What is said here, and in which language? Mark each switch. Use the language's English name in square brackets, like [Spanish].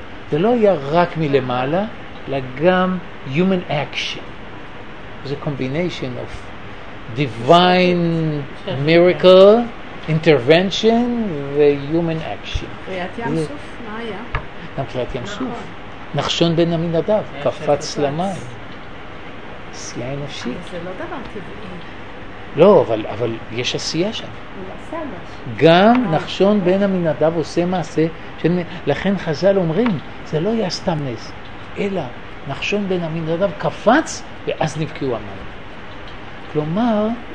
[Hebrew] זה לא היה רק מלמעלה, אלא גם [English] human action. It's a combination of divine miracle, intervention, ו-human action. [Hebrew] קריאת ים סוף, מה היה? גם קריאת ים סוף. נחשון בן עמינדב, קפץ למים. עשייה אנושית. זה לא דבר טבעי. לא, אבל יש עשייה שם. הוא עשה משהו. גם נחשון בן עמינדב עושה מעשה, לכן חז"ל אומרים, זה לא היה סתם נס, אלא נחשון בן עמינדב קפץ, ואז נבקעו המים. כלומר,